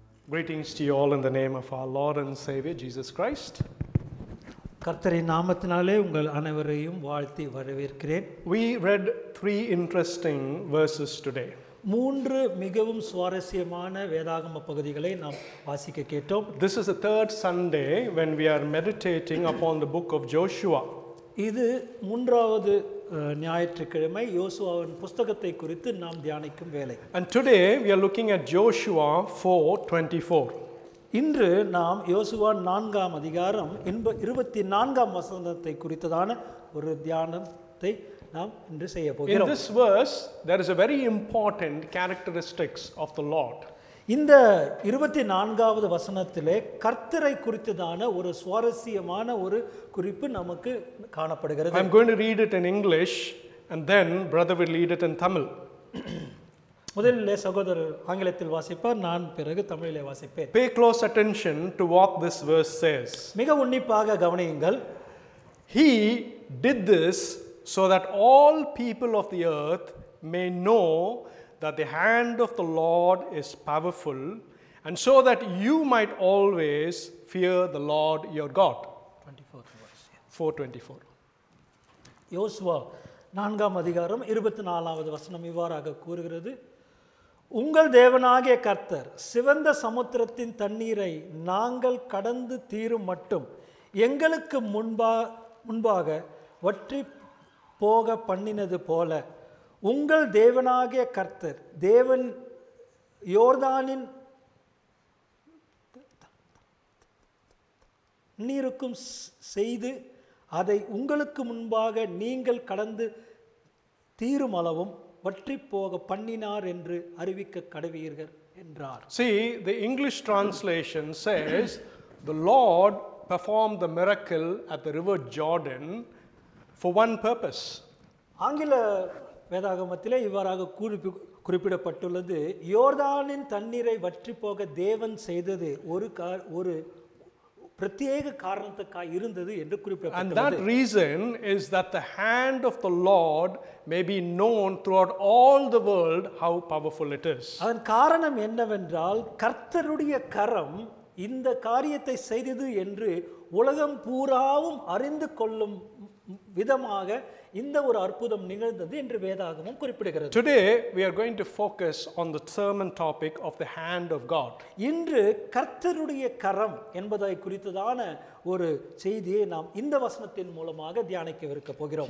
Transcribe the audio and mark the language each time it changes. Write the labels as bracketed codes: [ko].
[en] Greetings to you all in the name of our Lord and Savior Jesus Christ. [ta] கர்த்தரே நாமத்தினாலே உங்கள் அனைவரையும் வாழ்த்தி வரவேற்கிறேன். [en] We read three interesting verses today. [ta] மூன்று மிகவும் சுவாரஸ்யமான வேதாகம பகுதிகளை நாம் வாசிக்க கேட்டோம். [en] This is the third Sunday when we are meditating upon the book of Joshua. [ta] இது மூன்றாவது ஞாயிற்றுக்கிழமை யோசுவாவின் புஸ்தகத்தை குறித்து நாம் தியானிக்கும் வேளை. [en] And today we are looking at Joshua 4:24. [ta] இன்று நாம் யோசுவா 4 அதிகாரம் 24 வசனத்தை குறித்ததான ஒரு தியானத்தை நாம் இன்று செய்ய போகிறோம். [en] In this verse there is a very important characteristics of the Lord. [ta] இந்த 24வது வசனத்திலே கர்த்தரை குறித்ததான ஒரு சுவாரஸ்யமான ஒரு குறிப்பு நமக்கு காணப்படுகிறது. [en] I'm going to read it in English and then brother will read it in Tamil. [ta] முதலில் சகோதரர் ஆங்கிலத்தில் வாசிப்பார், நான் பிறகு தமிழிலே வாசிப்பேன். [en] Pay close attention to what this verse says. [ta] மிக உன்னிப்பாக கவனியுங்கள். [en] He did this so that all people of the earth may know that the hand of the Lord is powerful and so that you might always fear the Lord your God. 24. [ta] யோசுவா 4 அதிகாரம் 24வது வசனம் இவ்வாறாக கூறுகிறது. உங்கள் தேவனாகிய கர்த்தர் சிவந்த சமுத்திரத்தின் தண்ணீரை நாங்கள் கடந்து தீரும் மட்டும் எங்களுக்கு முன்பாக வற்றி போக பண்ணினது போல உங்கள் தேவனாகிய கர்த்தர் தேவன் யோர்தானின் நீருக்கும் செய்து அதை உங்களுக்கு முன்பாக நீங்கள் கடந்து தீரும் அளவும் வற்றி போக பண்ணினார் என்று அறிவிக்க கடவீர்கள் என்றார். [en] See, the English translation says, the Lord performed the miracle at the river Jordan for one purpose. [ta] ஆங்கில வேதாகமத்திலே இவ்வாறாக குறிப்பிடப்பட்டுள்ளது, யோர்தானின் தண்ணீரை வற்றி போக தேவன் செய்தது ஒரு பிரத்யேக காரணத்துக்காக இருந்தது என்று குறிப்பிடப்பட்டது. [en] And that reason is that the hand of the Lord may be known throughout all the world how powerful it is. [ta] அதன் காரணம் என்னவென்றால் கர்த்தருடைய கரம் இந்த காரியத்தை செய்தது என்று உலகம் பூராவும் அறிந்து கொள்ளும் விதமாக இந்த ஒரு அற்புதம் நிகழ்ந்தது என்று வேதாகமம் குறிப்பிடுகிறது. [en] Today we are going to focus on the sermon topic of the hand of God. [ta] இன்று கர்த்தருடைய கரம் என்பதை குறித்ததான ஒரு செய்தியை நாம் இந்த வசனத்தின் மூலமாக தியானிக்கவிருக்க போகிறோம்.